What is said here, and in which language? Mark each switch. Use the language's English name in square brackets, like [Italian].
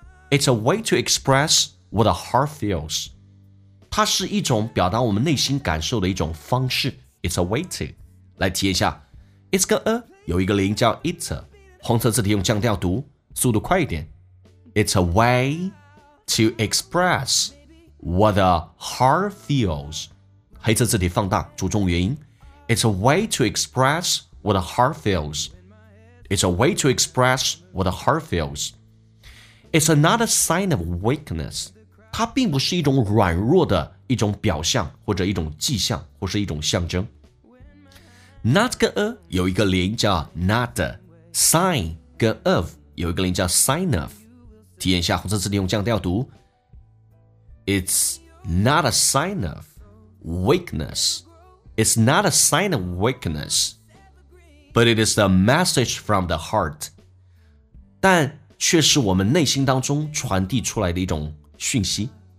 [English] It's a way to express what the heart feels. [Chinese] 它是一种表达我们内心感受的一种方式。 [English] It's a way to. [Chinese] 来体验一下。 [English] It's got a... [Chinese] 有一个零叫 it， 红色字体用降调读，速度快一点。 [English] It's a way to express what the heart feels。 [Chinese] 黑色字体放大，注重元音。 [English] It's a way to express what the heart feels。 It's a way to express what the heart feels。 It's not a sign of weakness。 [Chinese] 它并不是一种软弱的一种表象，或者一种迹象，或是一种象征。 Not 跟 a 有一个连叫 not， sign 跟 of 有一个连叫 sign of。体验一下红色字体用降调读， [English] It's not a sign of weakness. It's not a sign of weakness, but it is the message from the heart. [Chinese] 但却是我们内心当中传递出来的一种讯息。